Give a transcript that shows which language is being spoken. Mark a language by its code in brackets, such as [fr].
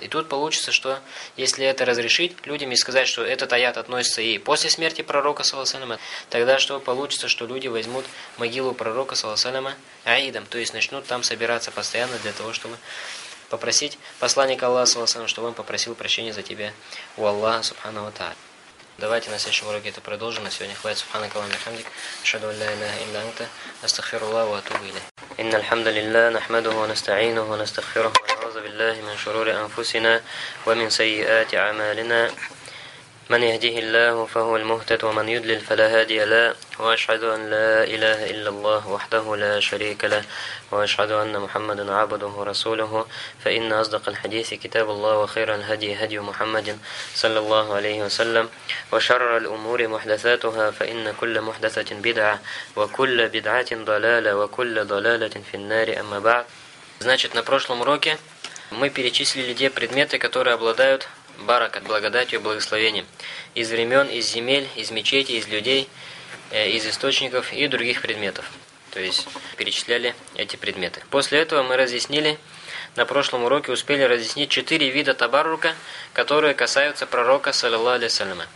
[ru] И тут получится, что если это разрешить людям и сказать, что этот аят относится и после смерти пророка, саллаллаху алейхи ва саллям, тогда что получится, что люди возьмут могилу пророка, саллаллаху алейхи ва саллям, аидом, то есть начнут там собираться постоянно для того, чтобы попросить посланника Аллаха, чтобы он попросил прощения за тебя у Аллаха, Субхана ва Тааля. Давайте на следующем уроке это продолжим. На сегодня хватит. [ar] Субханака ва бихамдик. Ашхаду ан ла илаха илля анта. Астагфируллах ва атубу илейх. إن الحمد لله نحمده ونستعينه ونستغفره ونعوذ بالله من شرور أنفسنا ومن سيئات أعمالنا من يهده الله فهو المهتدي ومن يضلل فلا هادي له وأشهد أن لا إله إلا الله وحده لا شريك له وأشهد أن محمدا عبده ورسوله فإن أصدق الحديث كتاب الله وخير الهدي هدي محمد صلى الله عليه وسلم وشر الأمور محدثاتها فإن كل محدثة بدعة وكل بدعة ضلالة وكل ضلالة في النار أما بعد. [ru] Значит, на прошлом уроке мы перечислили те предметы, которые обладают баракат, благодатью, благословением. Из времен, из земель, из мечети, из людей, из источников и других предметов. То есть, перечисляли эти предметы. После этого мы разъяснили, на прошлом уроке успели разъяснить 4 вида табаррука, которые касаются пророка, саллиллаху алейхи ва саллям.